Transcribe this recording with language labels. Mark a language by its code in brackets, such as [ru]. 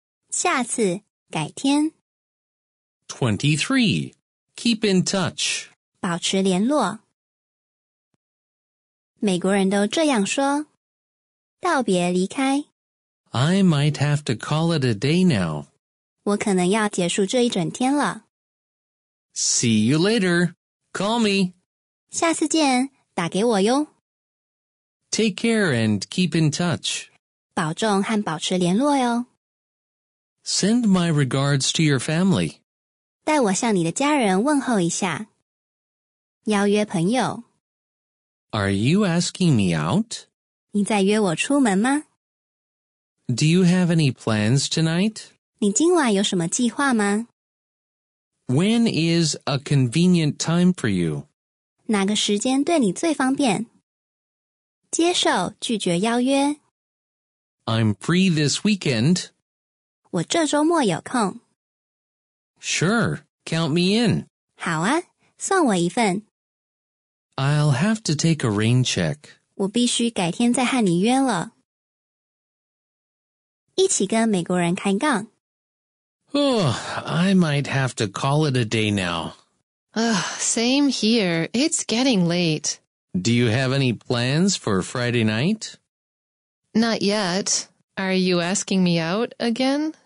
[zh] 下次，改天。 [en] 23. Keep in touch. [zh] 保持联络。美国人都这样说。道别离开。 [en] I might have to call it a day now. [zh] 我可能要结束这一整天了。 [en] See you later. Call me. [zh] 下次见，打给我哟。 [en] Take care and keep in touch. [zh] 保重和保持联络哟。 [en] Send my regards to your family. [zh] 代我向你的家人问候一下。邀约朋友。 [en] Are you asking me out? [zh] 你在约我出门吗？ [en] Do you have any plans tonight? [zh] 你今晚有什么计划吗？ [en] When is a convenient time for you? [zh] 哪个时间对你最方便？接受，拒绝邀约。 [en] I'm free this weekend. [zh] 我这周末有空。 [en] Sure, count me in. [zh] 好啊，算我一份。 [en] I'll have to take a rain check. [zh] 我必须改天再和你约了。一起跟美国人开杠。 [en] Oh, I might have to call it a day now. Same here. It's getting late. Do you have any plans for Friday night? Not yet. Are you asking me out again?